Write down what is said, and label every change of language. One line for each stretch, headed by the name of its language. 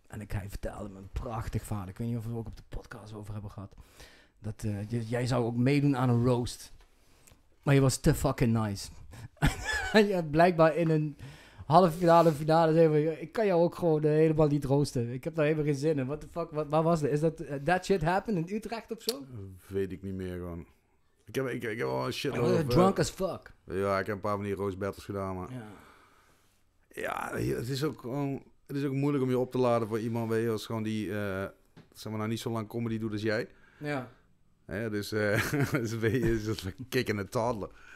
Dutch: En hij vertelde me een prachtig verhaal. Ik weet niet of we het ook op de podcast over hebben gehad. Dat jij zou ook meedoen aan een roast. Maar je was te fucking nice. Ja, blijkbaar in een halve finale. Ik kan jou ook gewoon helemaal niet roosten. Ik heb daar helemaal geen zin in.
English: What the fuck?
Dutch: Waar was dat? Is dat
English: that shit happened in Utrecht
Dutch: of zo? Weet ik niet meer gewoon. Ik heb wel een shit
English: over. Drunk as fuck.
Dutch: Ja, ik heb een paar van die roast battles gedaan, maar... Ja, het is ook moeilijk om je op te laden voor iemand, weet je, als gewoon die, niet zo lang comedy doet als jij. Ja. Dus het is een kick in de toddler.